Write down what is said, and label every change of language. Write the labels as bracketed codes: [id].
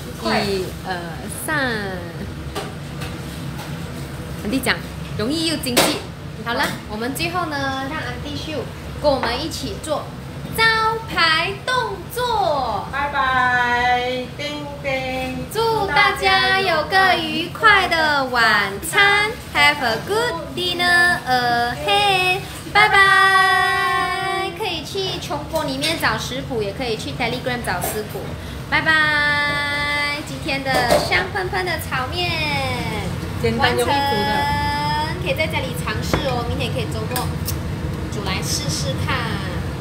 [zh] 一二三，安迪讲，容易又经济。好了，我们最后呢，让安迪秀跟我们一起做招牌动作。拜拜，叮叮，祝大家有个愉快的晚餐。 [en] Have a good dinner ahead. [zh] 拜拜。可以去穷播里面找食谱，也可以去 Telegram 找食谱。拜拜。今天的香喷喷的炒面简单又易煮的，可以在家里尝试哦。明天可以周末煮来试试看。